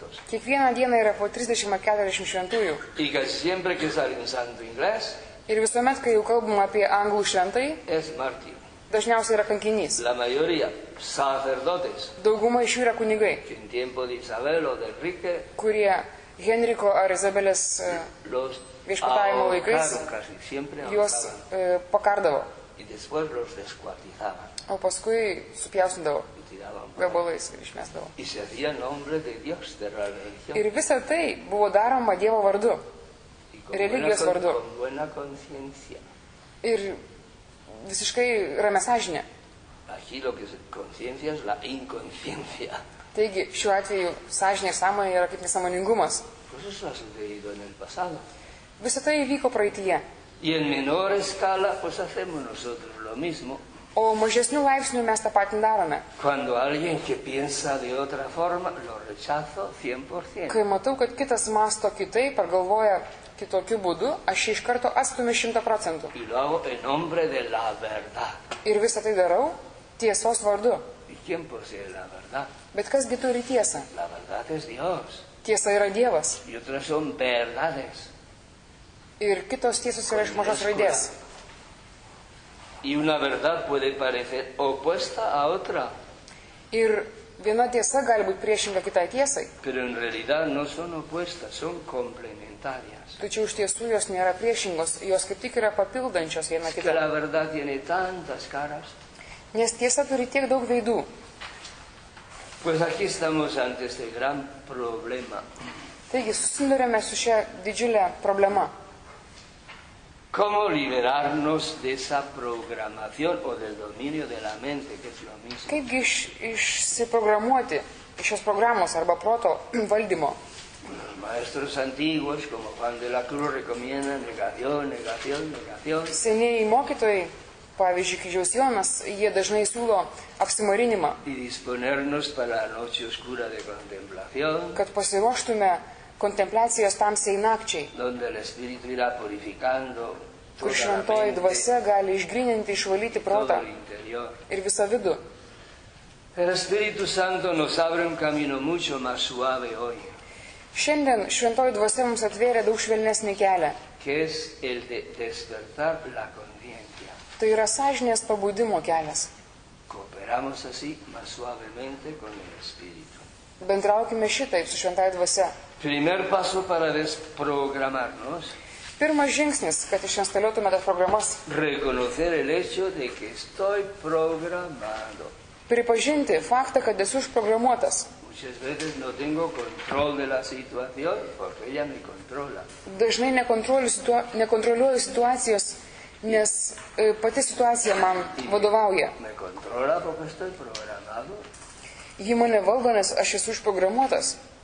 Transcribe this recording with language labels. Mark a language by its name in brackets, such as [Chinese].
[Lithuanian] Kiekvieną dieną yra po 30-40 šventųjų. Ir visuomet, kai jau kalbam apie anglų šventai, dažniausiai yra kankinys. [Spanish] La mayoría, sacerdotes. [Lithuanian] Dauguma iš jų yra kunigai. [Spanish] En tiempo de Isabel o de Enrique, [Lithuanian] kurie Henriko ar Izabelės viešpatavimo laikais juos pakardavo. [Spanish] Y después los descuartizaban. [Lithuanian] O paskui supjausindavo gabalais ir išmestavo. [Spanish] Y se hacía nombre de Dios, de la religión. [Lithuanian] Ir visa tai buvo daroma Dievo vardu, religijos vardu. [Spanish] Con buena conciencia. [Lithuanian] Ir visiškai ramia sąžinė. [Spanish] Aquí lo que es conciencia es la inconsciencia. [Lithuanian] Taigi, šiuo atveju sąžinė ir sąmonė yra kaip nesąmoningumas. [Spanish] Pues eso ha sucedido en el pasado. [Lithuanian] Visa tai vyko praeityje. [Spanish] Y en menor escala, pues hacemos nosotros lo mismo. [Lithuanian] O mažesnių laipsnių mes tą patį darome. [Spanish] Cuando alguien que piensa de otra forma, lo rechazo 100%. [Lithuanian] Kai matau, kad kitas masto kitaip ar galvoja kitokiu būdu, aš iš karto atstumiu 100%. [Spanish] Y lo hago en nombre de la verdad. [Lithuanian] Ir visą tai darau tiesos vardu. [Spanish] ¿Y quién posee la verdad? [Lithuanian] Bet kas gi turi tiesą? [Spanish] La verdad es Dios. [Lithuanian] Tiesa yra Dievas. [Spanish] Y otras son verdades. [Lithuanian] Ir kitos tiesos yra iš mažos raidės. [Spanish] Y una verdad puede parecer opuesta a otra. [Lithuanian] Ir viena tiesa gali būti priešinga kitai tiesai. [Spanish] Pero en realidad no son opuestas, son complementarias. [Lithuanian] Tačiau iš tiesų jos nėra priešingos, jos kaip tik yra papildančios viena kitą. [Spanish] La verdad tiene tantas caras. [Lithuanian] Nes tiesa turi tiek daug veidų. [Spanish] Pues aquí estamos ante este gran problema. [Lithuanian] Taigi susidurėme su šia didžiulė problema. [Spanish] ¿Cómo liberarnos de esa programación o del dominio de la mente, que es lo mismo? [Lithuanian] Kaipgi išsiprogramuoti iš šios programos arba proto valdymo? [Spanish] Los maestros antiguos, como Juan de la Cruz, recomiendan negación, negación, negación. [Lithuanian] Senieji mokytojai, pavyzdžiui, Kryžiaus Jonas, jie dažnai siūlo apsimarinimą. [Spanish] Y disponernos para la noche oscura de contemplación. [Lithuanian] Kad pasiruoštume kontempliacijos tamsiai nakčiai, [Spanish] donde el espíritu irá purificando, [Lithuanian] kur šventoji dvasia gali išgrininti, išvalyti protą ir visą vidų. [Spanish] El Espíritu Santo nos abre un camino mucho más suave hoy. [Lithuanian] Šiandien šventoji dvasia mums atvėrė daug švelnesnį kelią. [Spanish] Que es el de despertar la conciencia. [Lithuanian] Tai yra sąžinės pabudimo kelias. [Spanish] Cooperamos así más suavemente con el Espíritu. [Lithuanian] Bendraukime šitaip su šventoji dvasia. [Spanish] Primer paso para desprogramarnos. [Lithuanian] Pirmas žingsnis, kad išinstaliuotume tas programas. [Spanish] Reconocer el hecho de que estoy programado. [Lithuanian] Pripažinti faktą, kad esu užprogramuotas. [Spanish] Muchas veces no tengo control de la situación porque ella me controla. [Lithuanian] Dažnai nekontroliuoju situacijos, nes pati situacija man vadovauja. [Spanish] Me controla porque estoy programado. [Lithuanian] Ji mane valdo, nes aš esu užprogramuotas.